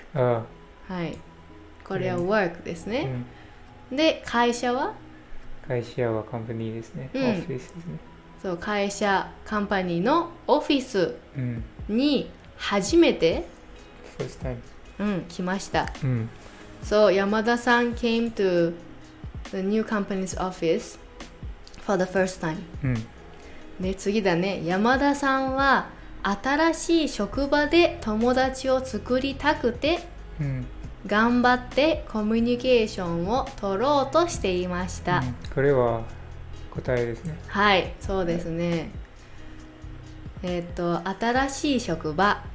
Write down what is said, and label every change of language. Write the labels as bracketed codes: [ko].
[ja] Oh. はい。これは work ですね。で、会社は会社はカンパニーですね。オフィスですね。そう、会社、カンパニーのオフィスに初めて、 [en] first time. [ja] 来ました。うん。 [en] So, 山田さん came to the new company's office for the first time. [ja] うん。で、次だね。山田さんは新しい職場で友達を作りたくて、うん。頑張ってコミュニケーションを取ろうとしていました、うん、これは答えですね。はい、そうですね、はい、新しい職場、